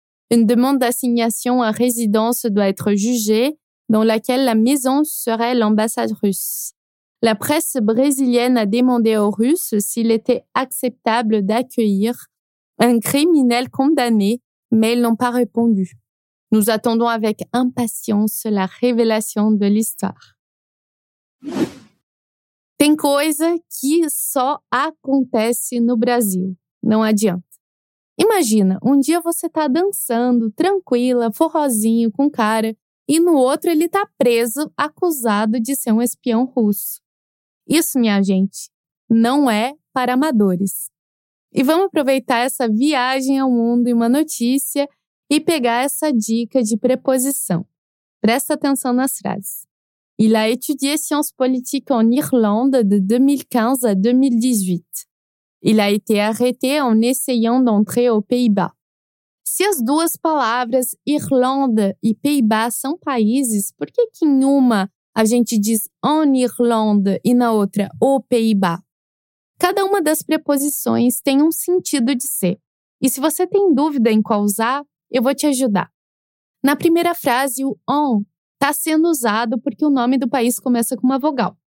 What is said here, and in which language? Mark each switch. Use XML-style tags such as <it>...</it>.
<fr>Une demande d'assignation à résidence doit être jugée, dans laquelle la maison serait l'ambassade russe. La presse brésilienne a demandé aux Russes s'il était acceptable d'accueillir un criminel condamné, mais ils n'ont pas répondu. Nous attendons avec impatience la révélation de l'histoire.</fr> <pt>Tem coisa que só acontece no Brasil, não adianta. Imagina, um dia você tá dançando, tranquila, forrozinho, com cara, e no outro ele tá preso, acusado de ser um espião russo. Isso, minha gente, não é para amadores. E vamos aproveitar essa viagem ao mundo e uma notícia e pegar essa dica de preposição. Presta atenção nas frases.</pt> <fr>Il a étudié sciences politiques en Irlande de 2015 à 2018. Il a été arrêté en essayant d'entrer aux Pays-Bas.</fr> <pt>Se as duas palavras Irlande e Pays-Bas são países, por que que em uma a gente diz en Irlande e na outra au Pays-Bas? Cada uma das preposições tem um sentido de ser. E se você tem dúvida em qual usar, eu vou te ajudar. Na primeira frase, o en está sendo usado porque o nome do país começa com uma vogal.</pt>